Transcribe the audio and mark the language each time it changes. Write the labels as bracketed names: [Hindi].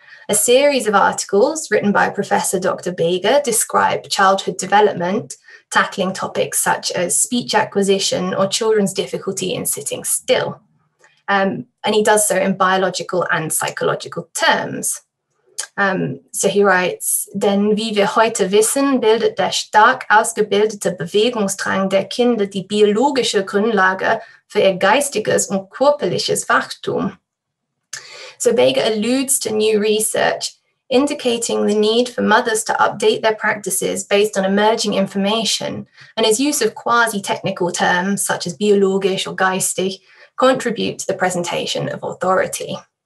[English] A series of articles written by Professor Dr. Beger describe childhood development, tackling topics such as speech acquisition or children's difficulty in sitting still. And he does so in biological and psychological terms. So he writes, [German] denn wie wir heute wissen, bildet der stark ausgebildete Bewegungsdrang der Kinder die biologische Grundlage für ihr geistiges und körperliches Wachstum. [English] So Beger alludes to new research, indicating the need for mothers to update their practices based on emerging information, and his use of quasi-technical terms such as biologisch or geistig contribute to the presentation of authority.